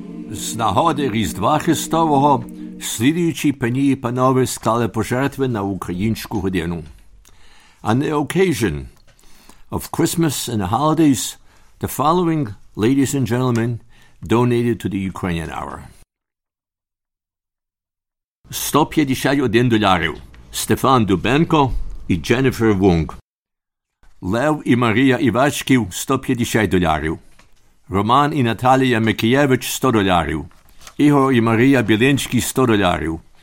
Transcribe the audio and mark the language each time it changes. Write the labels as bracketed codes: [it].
[uk] З нагоди Різдва Христового, слідуючі пані і панове склали пожертви на українську годину. [en] On the occasion of Christmas and the holidays, the following, ladies and gentlemen, donated to the Ukrainian Hour. [uk] 151 доларів. Стефан Дубенко і Дженніфер Вунг. Лев і Марія Івачків – 150 доларів. Роман і Наталія Микієвич – 100 доларів. Ігор і Марія Білинський – 100 доларів.